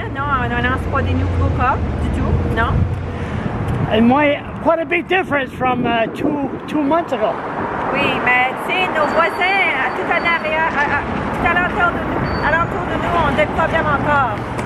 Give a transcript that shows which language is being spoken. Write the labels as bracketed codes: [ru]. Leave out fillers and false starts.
[fr] Non, on n'annonce pas des nouveaux cas du tout, non. [en] And why, quite a big difference from two months ago. [fr] Oui, mais tu sais, nos voisins, tout à l'entour de nous, on a des problèmes encore.